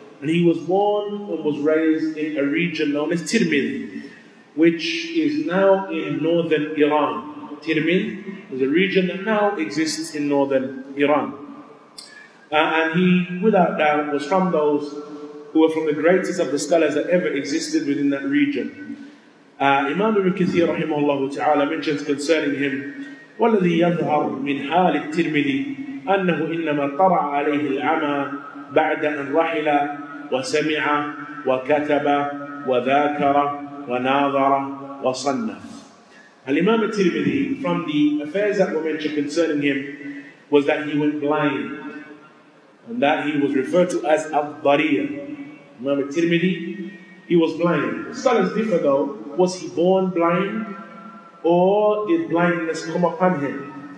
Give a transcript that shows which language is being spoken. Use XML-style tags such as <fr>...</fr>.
<en>And he was born and was raised in a region known as Tirmidhi, which is now in northern Iran. Tirmin, the region that now exists in northern Iran. And he, without doubt, was from those who were from the greatest of the scholars that ever existed within that region. Imam Ibn Kathir, rahimahullah ta'ala, mentions concerning him,</en> <ar>وَالَّذِي يَظْهَرُ مِنْ حَالِ التِّرْمِذِي أَنَّهُ إِنَّمَا طَرَعَ عَلَيْهِ الْعَمَى بَعْدَ أَنْ رَحِلَ وَسَمِعَ وَكَتَبَ وَذَاكَرَ وَنَاظَرَ وَصَنَّفَ.</ar> <en>Al-Imam al-Tirmidhi, from the affairs that were mentioned concerning him, was that he went blind, and that he was referred to as al-Dariya. Imam al-Tirmidhi, he was blind. Scholars differ though, was he born blind, or did blindness come upon him?</en>